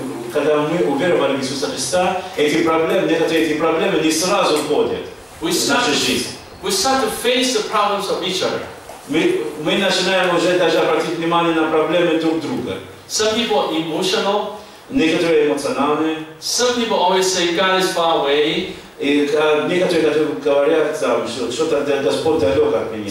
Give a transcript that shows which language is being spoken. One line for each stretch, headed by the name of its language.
Russian: Когда мы уверовали в Иисуса Христа, эти проблемы, некоторые эти проблемы не сразу уходят в нашу жизнь.
English: We start to face the problems of each other.
Russian: Мы начинаем уже даже обратить внимание на проблемы друг друга.
English: Some people are emotional.
Russian: Некоторые эмоциональные.
English: Some people always say God is far away.
Russian: И некоторые говорят, там, что что-то Господь далек от меня.